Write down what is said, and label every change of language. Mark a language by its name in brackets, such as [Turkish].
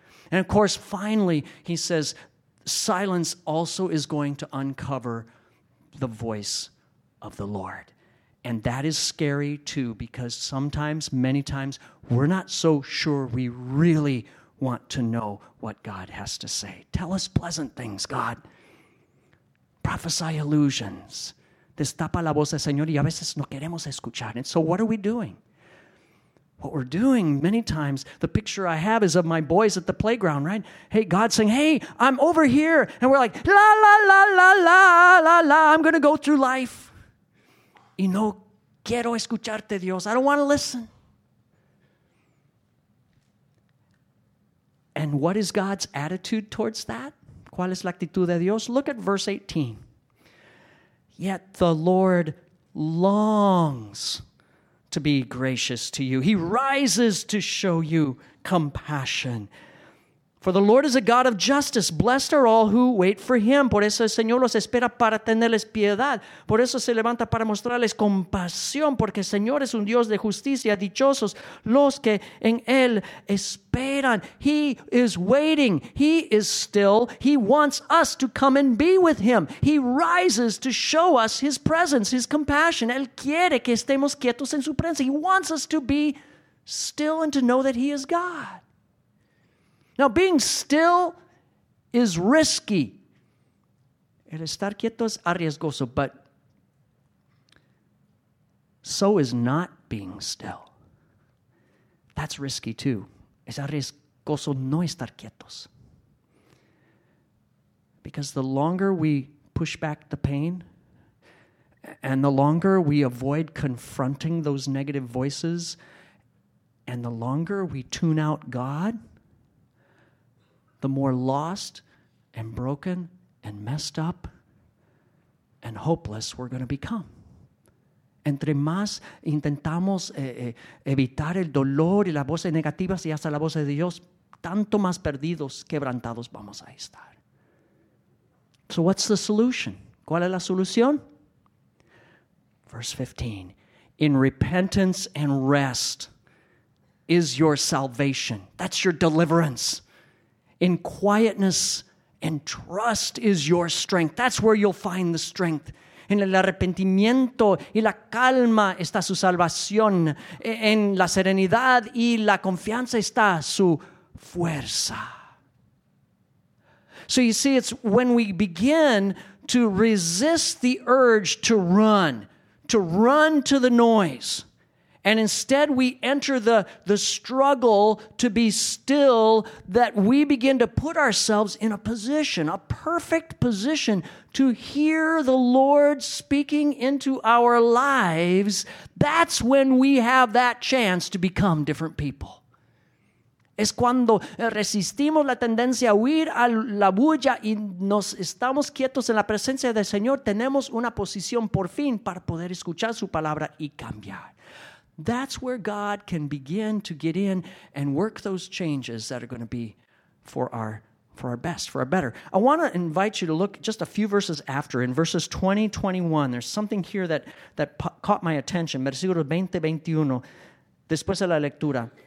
[English] And of course, finally, he says, silence also is going to uncover the voice of the Lord. And that is scary too, because sometimes, many times, we're not so sure we really want to know what God has to say. Tell us pleasant things, God. Prophesy illusions. [Spanish] Destapa la voz del Señor y a veces no queremos escuchar. [English] And so what are we doing? What we're doing many times, the picture I have is of my boys at the playground, right? Hey, God saying, hey, I'm over here. And we're like, la, la, la, la, la, la, la, I'm going to go through life. [Spanish] Y no quiero escucharte, Dios. [English] I don't want to listen. And what is God's attitude towards that? [Spanish] ¿Cuál es la actitud de Dios? [English] Look at verse 18. Yet the Lord longs to be gracious to you. He rises to show you compassion. For the Lord is a God of justice. Blessed are all who wait for him. [Spanish] Por eso el Señor los espera para tenerles piedad. Por eso se levanta para mostrarles compasión. Porque el Señor es un Dios de justicia. Dichosos los que en él esperan. [English] He is waiting. He is still. He wants us to come and be with him. He rises to show us his presence, his compassion. [Spanish] Él quiere que estemos quietos en su presencia. [English] He wants us to be still and to know that he is God. Now, being still is risky. [Spanish] El estar quieto es arriesgoso, [English] but so is not being still. That's risky too. [Spanish] Es arriesgoso no estar quietos. [English] Because the longer we push back the pain, and the longer we avoid confronting those negative voices, and the longer we tune out God, the more lost and broken and messed up and hopeless we're going to become. [Spanish] Entre más intentamos evitar el dolor y las voces negativas y hasta la voz de Dios, tanto más perdidos, quebrantados vamos a estar. [English] So what's the solution? [Spanish] ¿Cuál es la solución? [English] Verse 15. In repentance and rest is your salvation. That's your deliverance. In quietness and trust is your strength. That's where you'll find the strength. [Spanish] En el arrepentimiento y la calma está su salvación. En la serenidad y la confianza está su fuerza. [English] So you see, it's when we begin to resist the urge to run to the noise, and instead we enter the struggle to be still, that we begin to put ourselves in a position, a perfect position, to hear the Lord speaking into our lives. That's when we have that chance to become different people. [Spanish] Es cuando resistimos la tendencia a huir a la bulla y nos estamos quietos en la presencia del Señor, tenemos una posición por fin para poder escuchar su palabra y cambiar. [English] That's where God can begin to get in and work those changes that are going to be for our best, for our better. I want to invite you to look just a few verses after. In verses 20, 21, there's something here that caught my attention. [Spanish] Versículo 20, 21, después de la lectura.